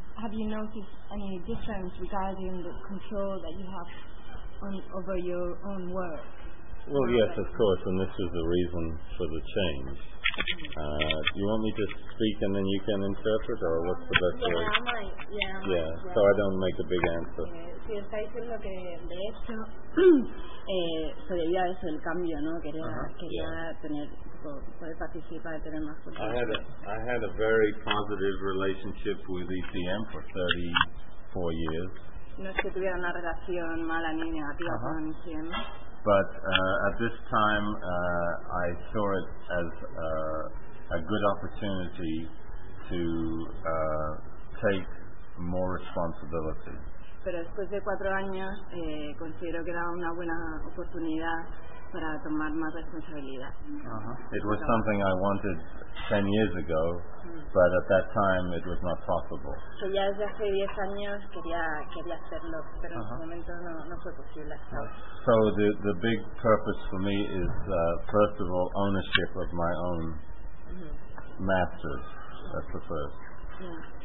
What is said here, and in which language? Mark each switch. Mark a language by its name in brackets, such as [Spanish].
[English] Have you noticed any difference regarding the control that you have over your own work? Well, yes, of course, and this is the reason for the change. Do you want me to speak and then you can interpret, or what's the best way? Yeah, I might. Yeah. Yeah, so I don't make a big answer. [Spanish] Sí, está diciendo que, de hecho, se debía a eso el cambio, ¿no? Quería tener, poder participar, tener más control. [English] I had a very positive relationship with ECM for 34 years. [Spanish] No es que tuviera una relación mala ni negativa con ECM. [English] But at this time, I saw it as a good opportunity to take more responsibility. [Spanish] Pero después de cuatro años, considero que era una buena oportunidad para tomar más responsabilidad. [English] It was something I wanted 10 years ago, but at that time it was not possible. [Spanish] So ya desde hace 10 años quería hacerlo, pero en ese momento no fue posible. [English] So the big purpose for me is, first of all, ownership of my own masters. That's the first. Yeah.